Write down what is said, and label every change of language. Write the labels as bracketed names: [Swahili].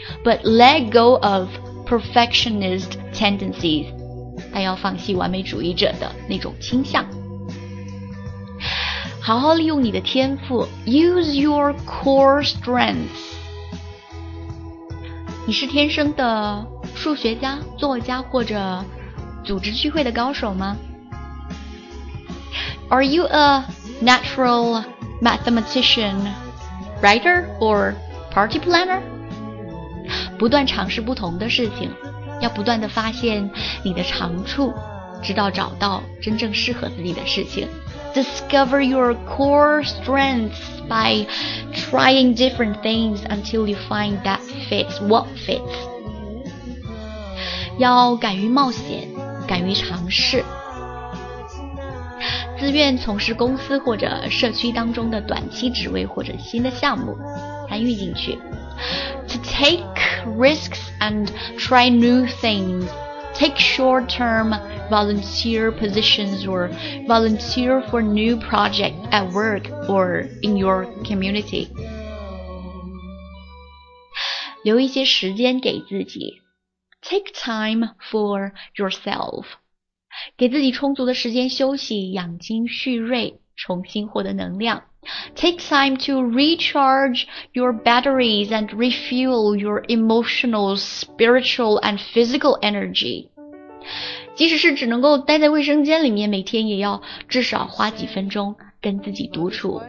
[English] But let go of perfectionist tendencies， [Chinese] 但要放弃完美主义者的那种倾向。好好利用你的天赋， [English] Use your core strengths。 [Chinese] 你是天生的数学家、作家或者组织聚会的高手吗？ [English] Are you a natural mathematician, writer, or party planner? [Chinese] 不断尝试不同的事情，要不断地发现你的长处，直到找到真正适合自己的事情。 [English] Discover your core strengths by trying different things until you find that fits what fits. [Chinese] 要敢于冒险，敢于尝试。自愿从事公司或者社区当中的短期职位或者新的项目，参与进去。 [English] To take risks and try new things. Take short-term volunteer positions or volunteer for new projects at work or in your community. [Chinese] 留一些时间给自己。 [English] Take time for yourself. [Chinese] 给自己充足的时间休息，养精蓄锐，重新获得能量。 [English] Take time to recharge your batteries and refuel your emotional, spiritual and physical energy. [Chinese] 即使是只能够待在卫生间里面，每天也要至少花几分钟跟自己独处。